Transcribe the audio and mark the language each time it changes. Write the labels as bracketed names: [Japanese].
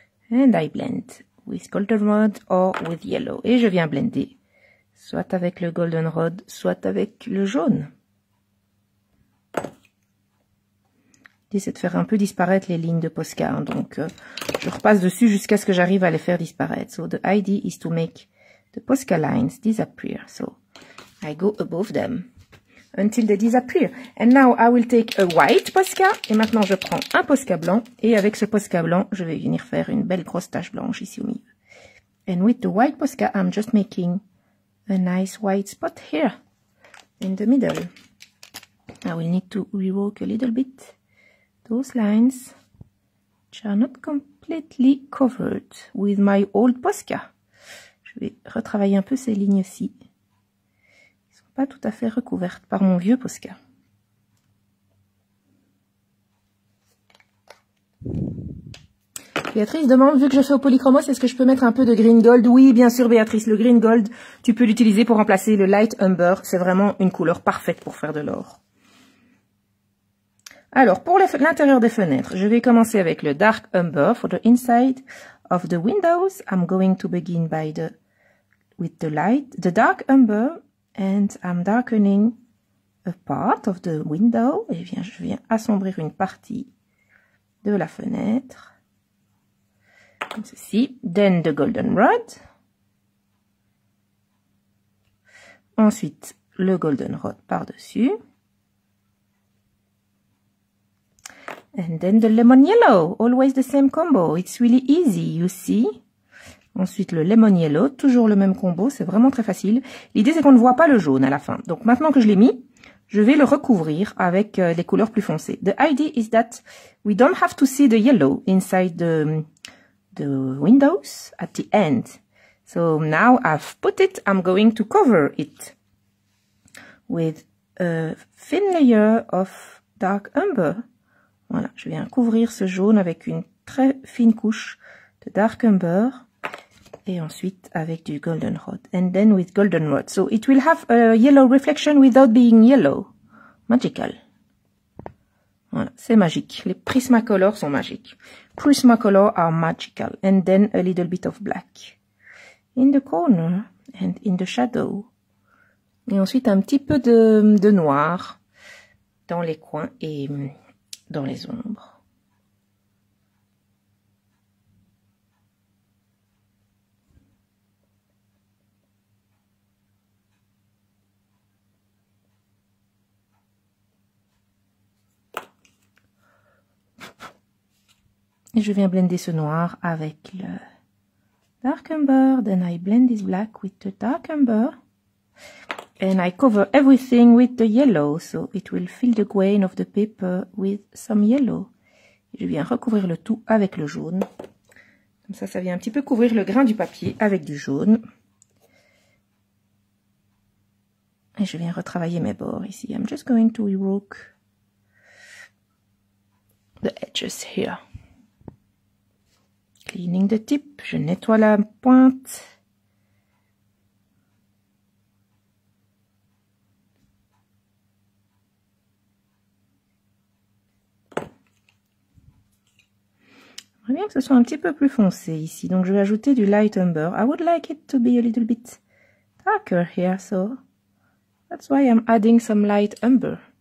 [English] And I blend with goldenrod or with yellow. [French] Et je viens blender soit avec le goldenrod, soit avec le jaune. J'essaie de faire un peu disparaître les lignes de Posca, hein, donc je repasse dessus jusqu'à ce que j'arrive à les faire disparaître. [English] So the idea is to make the Posca lines disappear. So I go above them until they disappear. And now I will take a white Posca. [French] Et maintenant je prends un Posca blanc. Et avec ce Posca blanc, je vais venir faire une belle grosse tache blanche ici au milieu. [English] And with the white Posca, I'm just making a nice white spot here in the middle. I will need to rework a little bit. Those lines which are not completely covered with my old Posca. [French] Je vais retravailler un peu ces lignes-ci. Elles ne sont pas tout à fait recouvertes par mon vieux Posca. Béatrice demande, vu que je fais au polychromos, est-ce que je peux mettre un peu de green gold? Oui, bien sûr Béatrice, le green gold, tu peux l'utiliser pour remplacer le light umber. C'est vraiment une couleur parfaite pour faire de l'or. Alors, pour l'intérieur des fenêtres, je vais commencer avec le dark umber. [English] For the inside of the windows, I'm going to begin by the dark umber, and I'm darkening a part of the window. [French] Et bien, je viens assombrir une partie de la fenêtre. Comme ceci. [English] Then the goldenrod. [French] Ensuite, le goldenrod par-dessus. [English] And then the lemon yellow, always the same combo. It's really easy, you see. [French] Ensuite, le lemon yellow, toujours le même combo. C'est vraiment très facile. L'idée, c'est qu'on ne voit pas le jaune à la fin. Donc, maintenant que je l'ai mis, je vais le recouvrir avec des couleurs plus foncées. [English] The idea is that we don't have to see the yellow inside the windows at the end. So, now I've put it, I'm going to cover it with a thin layer of dark umber. [French] Voilà, je viens couvrir ce jaune avec une très fine couche de dark umber et ensuite avec du goldenrod. [English] And then with goldenrod. So it will have a yellow reflection without being yellow. Magical. [French] Voilà, c'est magique. Les Prismacolors sont magiques. [English] Prismacolors are magical. And then a little bit of black. In the corner and in the shadow. [French] Et ensuite, un petit peu de noir dans les coins et dans les ombres. Et je viens blender ce noir avec le dark amber. [English] Then I blend this black with the dark amber. And I cover everything with the yellow. So it will fill the grain of the paper with some yellow. [French] Je viens recouvrir le tout avec le jaune. Comme ça, ça vient un petit peu couvrir le grain du papier avec du jaune. Et je viens retravailler mes bords ici. [English] I'm just going to rework the edges here. Cleaning the tip, [French] je nettoie la pointe. J'aimerais bien que ce soit un petit peu plus foncé ici. Donc je vais ajouter du light amber. [English] I would like it to be a little bit darker here, so that's why I'm adding some light amber.